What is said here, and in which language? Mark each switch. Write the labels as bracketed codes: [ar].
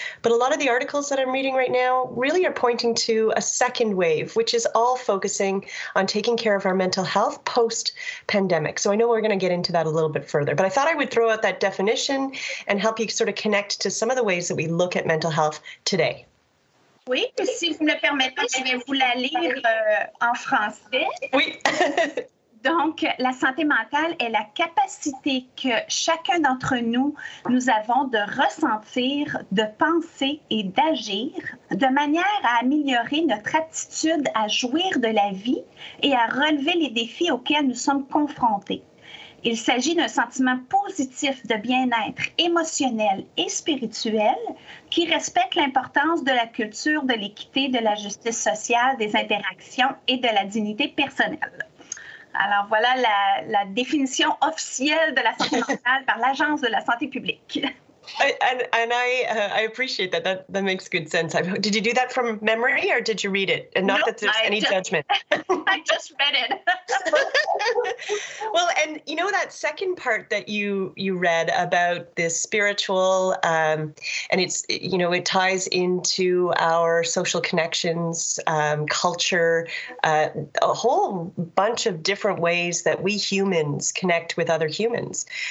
[en] But a lot of the articles that I'm reading right now really are pointing to a second wave, which is all focusing on taking care of our mental health post-pandemic. So I know we're going to get into that a little bit further. But I thought I would throw out that definition and help you sort of connect to some of the ways that we look at mental health today. [fr] Oui, si vous me le permettez, je vais vous la lire en français. Oui. Donc, la santé mentale est la capacité que chacun d'entre nous avons de ressentir, de penser et d'agir de manière à améliorer notre aptitude à jouir de la vie et à relever les défis auxquels nous sommes confrontés. Il s'agit d'un sentiment positif de bien-être émotionnel et spirituel qui respecte l'importance de la culture de l'équité, de la justice sociale, des interactions et de la dignité personnelle. Alors, voilà la définition officielle de la santé mentale par l'Agence de la santé publique. [en] I appreciate that. That makes good sense. Did you do that from memory or did you read it? And not that there's any judgment. I just read it. Well, and you know that second part that you read about this spiritual, and it's, you know, it ties into our social connections, culture, a whole bunch of different ways that we humans connect with other humans.